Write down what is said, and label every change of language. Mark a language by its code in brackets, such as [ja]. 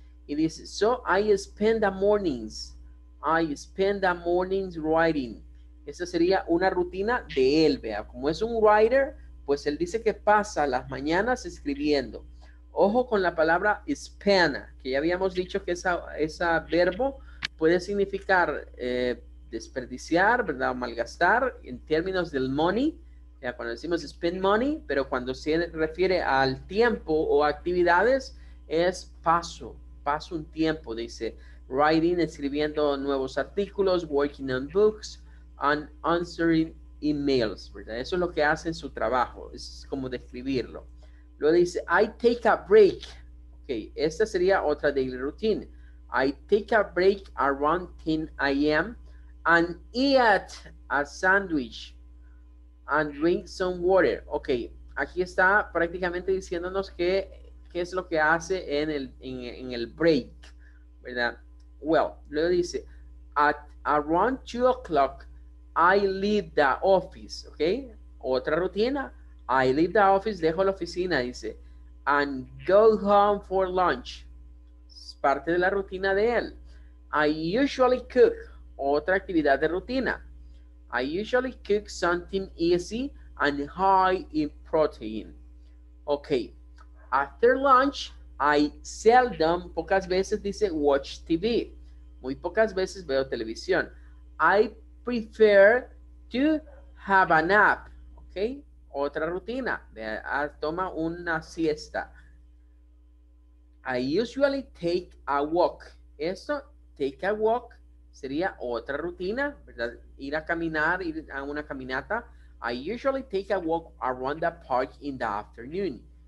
[en] Y dice, so I spend the mornings writing. [es] Esa sería una rutina de él, vea. Como es un writer, pues él dice que pasa las mañanas escribiendo. Ojo con la palabra spend, que ya habíamos dicho que esa verbo puede significar desperdiciar, ¿verdad? O malgastar en términos del money, vea, cuando decimos spend money, pero cuando se refiere al tiempo o actividades, es paso un tiempo, dice. [en] Writing, escribiendo nuevos artículos, working on books, and answering emails, ¿verdad? [es] Eso es lo que hace en su trabajo, es como describirlo. [en] Luego dice, I take a break. Ok, esta sería otra daily routine. I take a break around 10 a.m. and eat a sandwich and drink some water. [es] Ok, aquí está prácticamente diciéndonos qué es lo que hace en el break, ¿verdad? Well, luego dice, at around 2 o'clock, [en] I leave the office, ¿ok? Otra rutina. I leave the office, dejo la oficina, dice. And go home for lunch. [es] Es parte de la rutina de él. I usually cook. Otra actividad de rutina. [en] I usually cook something easy and high in protein. Ok. After lunch, I seldom, pocas veces, dice, watch TV. [es] Muy pocas veces veo televisión. I prefer to have a nap. Ok. Otra rutina. [en] Toma una siesta. I usually take a walk. [es] Eso, take a walk, sería otra rutina, ¿verdad? Ir a caminar, ir a una caminata. [en] I usually take a walk around the park in the afternoon.